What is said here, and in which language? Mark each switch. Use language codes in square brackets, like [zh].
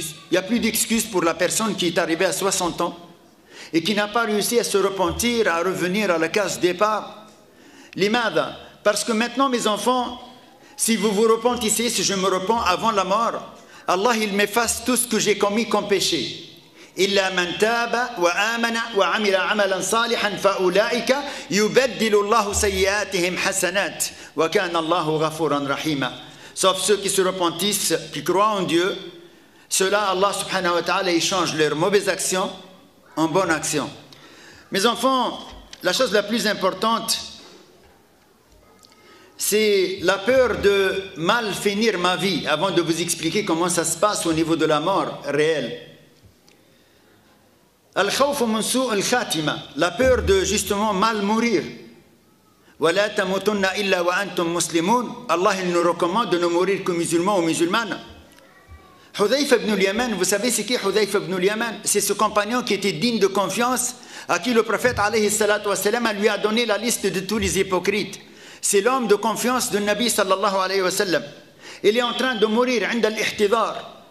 [fr] Il y a plus d'excuses pour la personne qui est arrivée à 60 ans et qui n'a pas réussi à se repentir, à revenir à la case départ. [ar] لماذا? [fr] Parce que maintenant mes enfants, si vous vous repentissez, si je me repens avant la mort, Allah il m'efface tout ce que j'ai commis comme péché. [ar] إلا من تاب وآمن وعمل عملا صالحا فأولئك يبدل الله سيئاتهم حسنات وكان الله غفورا رحيما. [fr] Sauf ceux qui se repentissent, qui croient en Dieu, ceux-là, Allah subhanahu wa ta'ala, ils changent leurs mauvaises actions en bonnes actions. Mes enfants, la chose la plus importante, c'est la peur de mal finir ma vie, avant de vous expliquer comment ça se passe au niveau de la mort réelle. [ar] الخوف من سوء الخاتمة. [fr] La peur de justement mal mourir. [ar] ولا تموتن إلا وأنتم مسلمون. [fr] Allah il nous recommande de ne mourir que musulmans ou musulmanes. حذيفة بن اليمان. Vous savez ce qui est حذيفة بن اليمان? C'est ce compagnon qui était digne de confiance à qui le prophète عليه الصلاة والسلام lui a donné la liste de tous les hypocrites. C'est l'homme de confiance du Nabi صلى الله عليه وسلم. Il est en train de mourir [ar] عند الاحتضار.